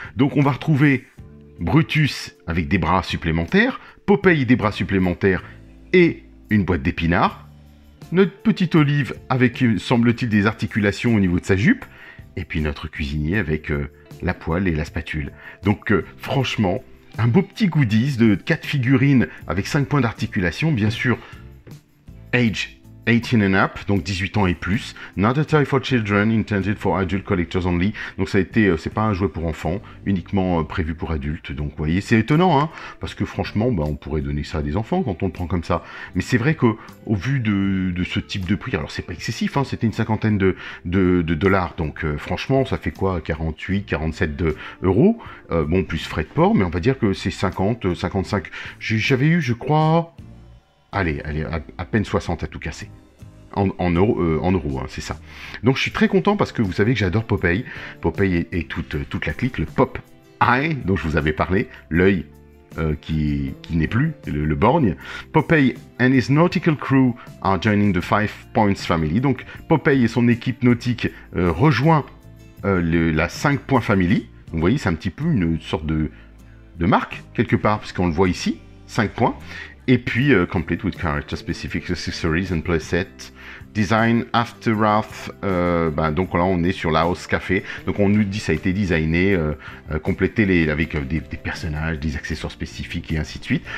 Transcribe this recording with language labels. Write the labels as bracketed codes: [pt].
[fr] Donc on va retrouver Brutus avec des bras supplémentaires, Popeye des bras supplémentaires et une boîte d'épinards, notre petite Olive avec, semble-t-il, des articulations au niveau de sa jupe. Et puis notre cuisinier avec la poêle et la spatule. Donc franchement, un beau petit goodies de 4 figurines avec 5 points d'articulation. Bien sûr, [en] age 18 and up, [fr] donc 18 ans et plus. [en] Not a toy for children, intended for adult collectors only. [fr] Donc ça a été, c'est pas un jouet pour enfants, uniquement prévu pour adultes. Donc vous voyez, c'est étonnant, hein, parce que franchement, on pourrait donner ça à des enfants quand on le prend comme ça. Mais c'est vrai qu'au vu de ce type de prix, alors c'est pas excessif, hein, c'était une cinquantaine de dollars. Donc franchement, ça fait quoi, 48, 47 de euros. Plus frais de port, mais on va dire que c'est 50, 55. J'avais eu, je crois... Allez, à peine 60 à tout casser. En euros, hein, c'est ça. Donc je suis très content parce que vous savez que j'adore Popeye. Popeye et toute la clique, le Pop-Eye, dont je vous avais parlé, l'œil qui n'est plus, le borgne. [en] Popeye and his nautical crew are joining the Five Points Family. [fr] Donc Popeye et son équipe nautique rejoint la 5 Points Family. Donc, vous voyez, c'est un petit peu une sorte de marque, quelque part, puisqu'on le voit ici, 5 points. Et puis, [en] complete with character specific accessories and playset design after Wrath. [fr] Donc là, on est sur la House Café. Donc on nous dit ça a été designé, complété avec des personnages, des accessoires spécifiques et ainsi de suite.